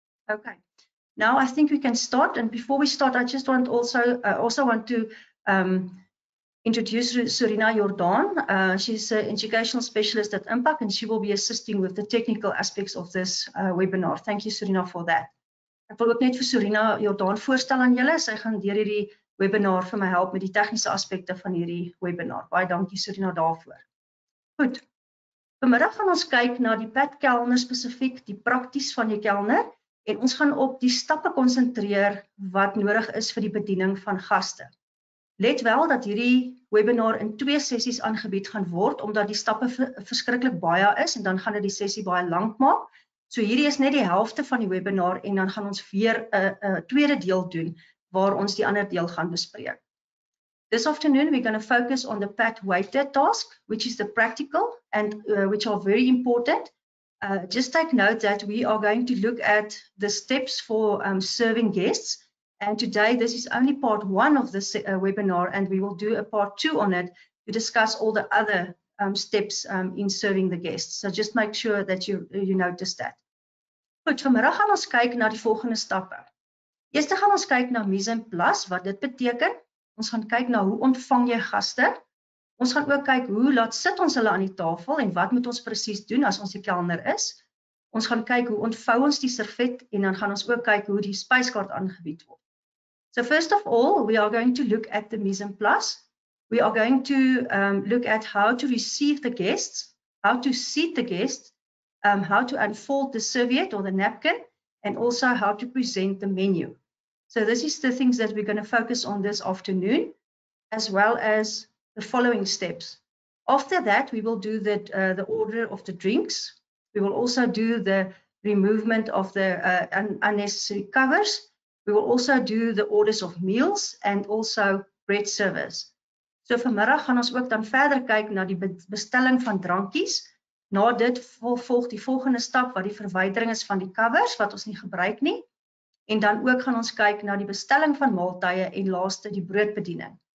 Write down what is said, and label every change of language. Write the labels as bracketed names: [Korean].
[English] Okay, now I think we can start. And before we start, I just want also want to introduce Serena Jordan. She's an educational specialist at MPAC and she will be assisting with the technical aspects of this webinar. Thank you, Serena, for that. [Afrikaans] Ek wil ook net vir Serena Jordan voorstel aan julle. Sy gaan deur hierdie webinar vir my help met die tegniese aspekte van hierdie webinar. Baie dankie, Serena, daarvoor. Goed. Vanmiddag gaan ons kyk na die pad kelner spesifiek, die prakties van die kelner. En ons gaan op die stappe konsentreer wat nodig is vir die bediening van gaste. Let wel dat hierdie webinar in twee sessies aangebied gaan word omdat die stappe verskriklik baie is en dan gaan dit die sessie baie lank maak. So hierdie is net die helfte van die webinar en dan gaan ons weer 'n tweede deel doen waar ons die ander deel gaan bespreek. [English] This afternoon we're going to focus on the PAT-weighted task, which is the practical and which are very important. Just take note that we are going to look at the steps for serving guests. And today this is only part one of this webinar and we will do a part two on it to discuss all the other steps in serving the guests. So just make sure that you notice that. Goed, vanmiddag gaan ons kyk na die volgende stappe. Eers gaan ons kyk na mise en place, wat dit beteken. Ons gaan kyk na hoe ontvang jy gaste. Ons gaan ook kyk hoe laat sit ons hulle aan die tafel en wat moet ons presies doen as ons die kelner is. Ons gaan kyk hoe ontvou ons die servet en dan gaan ons ook kyk hoe die spyskaart aangebied word. So first of all, we are going to look at the mise en place. We are going to look at how to receive the guests, how to seat the guests, how to unfold the serviette or the napkin, and also how to present the menu. So this is the things that we're going to focus on this afternoon, as well as the following steps. After that, we will do that, the order of the drinks. We will also do the removal of the unnecessary covers. We will also do the orders of meals and also bread service. [Afrikaans] So vanmiddag gaan ons ook dan verder kyk na die bestelling van drankies. Na dit volg die volgende stap wat die verwydering is van die covers wat ons nie gebruik nie. En dan ook gaan ons kyk na die bestelling van maaltye en laaste die broodbediening.